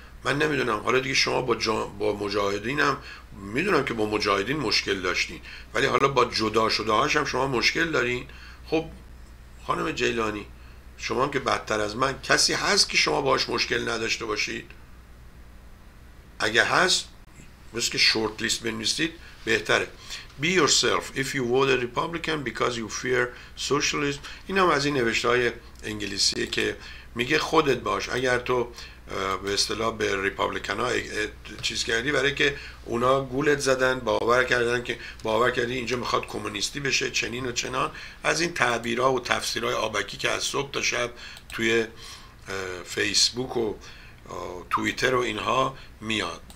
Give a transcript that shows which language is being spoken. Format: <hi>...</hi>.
<fa>من نمیدونم حالا دیگه شما با مجاهدین هم میدونم که با مجاهدین مشکل داشتین، ولی حالا با جدا شده هاش هم شما مشکل دارین. خب خانم جیلانی شما هم که بدتر از من، کسی هست که شما باش مشکل نداشته باشید؟ اگه هست مثل که شورت لیست بنویسید بهتره.</fa> <en>Be yourself if you vote a Republican because you fear socialism.</en> <fa>این هم از این نوشته‌های انگلیسیه که میگه خودت باش، اگر تو به اصطلاح به ریپابلیکن ها چیز کردی برای که اونا گولت زدن، باور کردن که باور کردی اینجا میخواد کمونیستی بشه چنین و چنان، از این تعبیرها و تفسیرهای آبکی که از صبح تا شب توی فیسبوک و توییتر و اینها میاد.</fa>